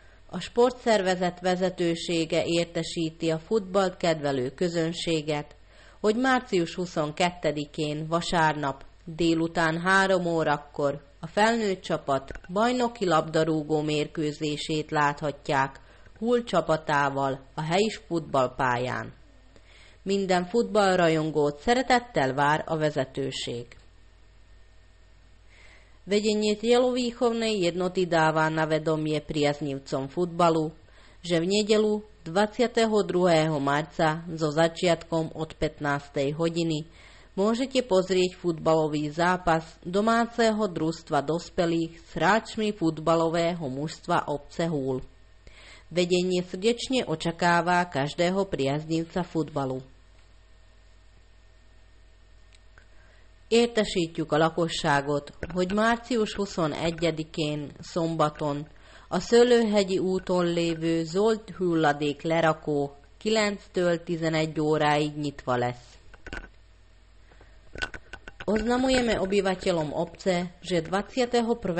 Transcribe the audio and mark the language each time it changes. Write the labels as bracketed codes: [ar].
[hu] A sportszervezet vezetősége értesíti a futballt kedvelő közönséget, hogy március 22-én, vasárnap, délután 3 órakor a felnőtt csapat bajnoki labdarúgó mérkőzését láthatják Hull csapatával a helyi futballpályán. Minden futballrajongót szeretettel vár a vezetőség. [sk] Vedenie telovýchovnej jednoty dáva na vedomie priaznivcom futbalu, že v nedeľu 22. marca so začiatkom od 15. hodiny môžete pozrieť futbalový zápas domáceho družstva dospelých s hráčmi futbalového mužstva obce Hull. Vedenie srdečne očakáva každého priaznivca futbalu. [hu] Értesítjük a lakosságot, hogy március 21-én szombaton a Szőlőhegyi úton lévő zöld hulladék lerakó 9-től 11 óráig nyitva lesz. [sk] Oznamujeme obyvateľom obce, že 21.